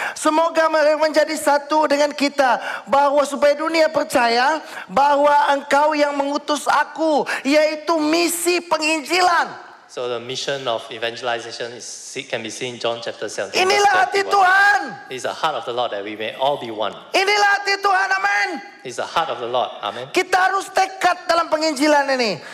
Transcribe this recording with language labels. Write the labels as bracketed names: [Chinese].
[Malay] Semoga mereka menjadi satu dengan kita. Bahwa supaya dunia percaya bahwa engkau yang mengutus aku, yaitu misi penginjilan. [English] So the mission of evangelization can be seen in John chapter 17. [Malay] Inilah hati Tuhan. [English] It's the heart of the Lord that we may all be one. [Malay] Inilah hati Tuhan, amen. [English] It's the heart of the Lord, amen. [Malay] Kita harus tekad dalam penginjilan ini.